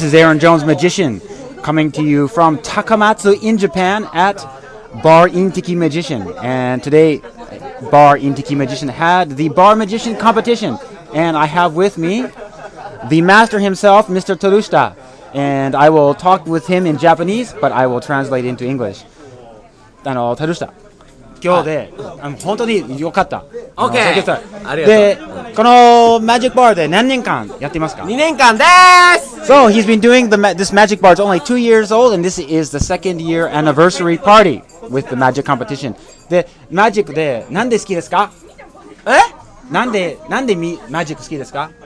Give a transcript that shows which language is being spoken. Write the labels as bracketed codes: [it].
[en] This is Aaron Jones, magician, coming to you from Takamatsu in Japan at Bar Intiki Magician. And today, Bar Intiki Magician had the Bar Magician competition. And I have with me the master himself, Mr. Terushita. And I will talk with him in Japanese, but I will translate into English. Terushita. [ja] 今日で、はい、本当に良かった。 OK! ありがとう。で、このマジックバーで何年間やってますか ?2年間です [en] !So, he's been doing this magic bar. It's only 2 years old, and this is the second year anniversary party with the magic competition. [ja] で、マジックで何で好きですか? え? なんでマジック好きですか?